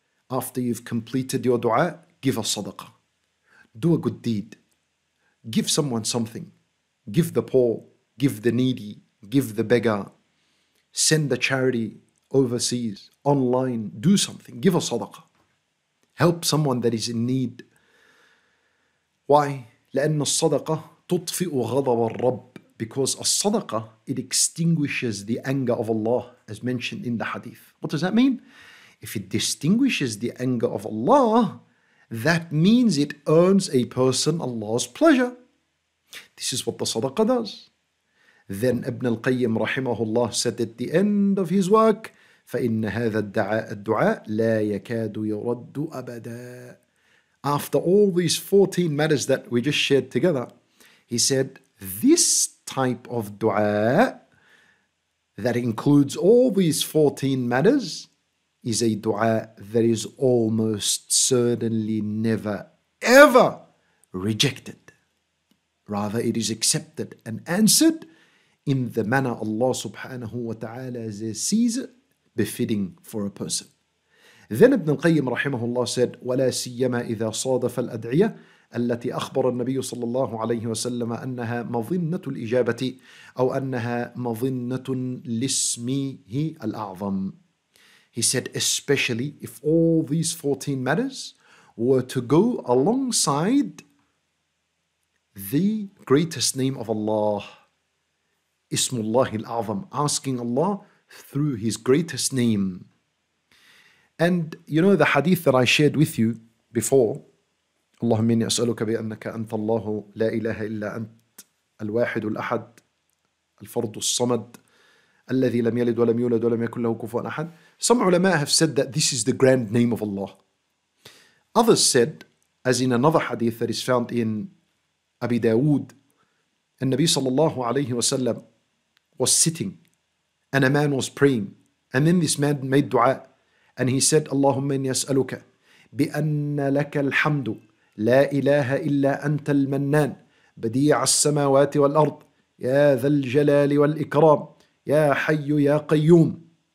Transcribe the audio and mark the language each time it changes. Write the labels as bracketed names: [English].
[English] After you've completed your dua, give a sadaqah. Do a good deed. Give someone something. Give the poor. Give the needy. Give the beggar. Send the charity overseas, online. Do something. Give a sadaqah. Help someone that is in need. Why? [Arabic] لأن الصدقة تطفئ غضب الرب. [English] Because a sadaqah, it extinguishes the anger of Allah, as mentioned in the hadith. What does that mean? If it distinguishes the anger of Allah, that means it earns a person Allah's pleasure. This is what the sadaqah does. Then Ibn al-Qayyim رحمه الله said at the end of his work, [Arabic] فَإِنَّ هَذَا الدُّعَاءَ لَا يَكَادُ يُرَدُّ أَبَدًا. [English] After all these 14 matters that we just shared together, he said, this type of dua that includes all these 14 matters is a dua that is almost certainly never, ever rejected. Rather, it is accepted and answered in the manner Allah subhanahu wa ta'ala sees it befitting for a person. Then Ibn al-Qayyim rahimahullah said, [Arabic] وَلَا سِيَّمَا إِذَا صَادَفَ الْأَدْعِيَةِ التي أخبر النبي صلى الله عليه وسلم أنها مظنة الإجابة أو أنها مظنة لاسمه الأعظم. [English] He said, especially if all these 14 matters were to go alongside the greatest name of Allah, [Arabic] اسم الله الأعظم, [English] asking Allah through his greatest name. And you know the hadith that I shared with you before, [Arabic] اللهم إني أسألك بأنك أنت الله لا إله إلا أنت الواحد الأحد الفرد الصمد الذي لم يلد ولم يولد ولم يكن له كفوا أحد. [English] Some ulama have said that this is the grand name of Allah. Others said, as in another hadith that is found in Abi Dawood, النبي صلى الله عليه وسلم was sitting and a man was praying, and then this man made dua and he said, [Arabic] اللهم إني أسألك بأن لك الحمد لا إله إلا أنت المنان بديع السماوات والأرض يا ذا الجلال والإكرام يا حي يا قيوم.